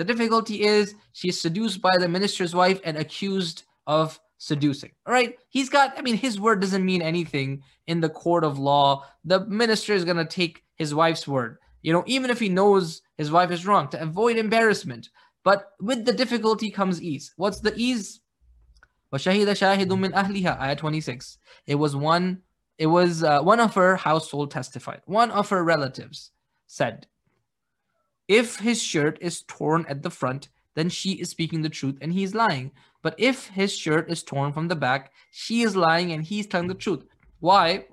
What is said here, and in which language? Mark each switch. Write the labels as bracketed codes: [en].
[en] The difficulty is she's seduced by the minister's wife and accused of seducing. All right. His word doesn't mean anything in the court of law. The minister is going to take his wife's word, you know, even if he knows his wife is wrong, to avoid embarrassment. But with the difficulty comes ease. What's the ease? [ar] وَشَهِدَ شَاهِدٌ مِّنْ أَهْلِهَا Ayah 26. [en] It was one of her household testified. One of her relatives said, if his shirt is torn at the front, then she is speaking the truth and he's lying. But if his shirt is torn from the back, she is lying and he's telling the truth. Why?